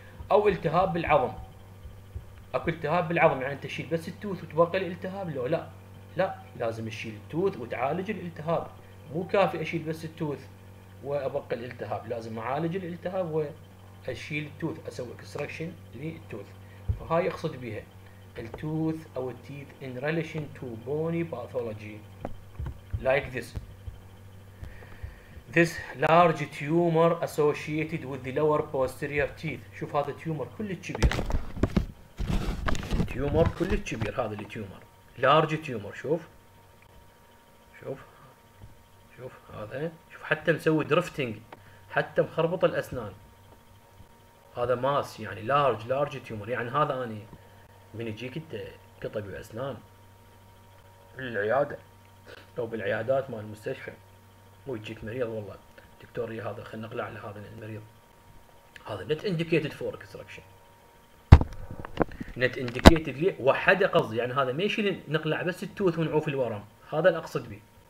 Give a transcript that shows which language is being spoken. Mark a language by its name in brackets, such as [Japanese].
[Arabic] او التهاب بالعظم، اكو التهاب بالعظم، يعني تشيل بس التوث وتبقى الالتهاب؟ لو لا لا، لازم تشيل التوث وتعالج الالتهاب، مو كافي اشيل بس التوث وابقى الالتهاب، لازم اعالج الالتهاب واشيل التوث، اسوي اكستراكشن للتوث. فهاي اقصد بها [English] التوث او التيث in relation to bony pathology like this. This large tumor associated with the lower posterior teeth. [Arabic] شوف هذا تيومر كلش كبير. تيومر كلش كبير هذا اللي تيومر. لارج تيومر شوف. شوف. شوف هذا. شوف حتى مسوي درفتنج. حتى مخربط الاسنان. هذا ماس يعني لارج لارج تيومر. يعني هذا اني من يجيك انت كطبيب اسنان بالعياده او بالعيادات مال المستشفى، ويجيك مريض والله دكتور هذا خلينا نقلع على هذا المريض، هذا [English] not indicated for extraction, [Arabic] نت انديكيتد لي وحده قصدي، يعني هذا ما يشيل نقلع بس التوث ونعوف الورم، هذا اللي اقصد به.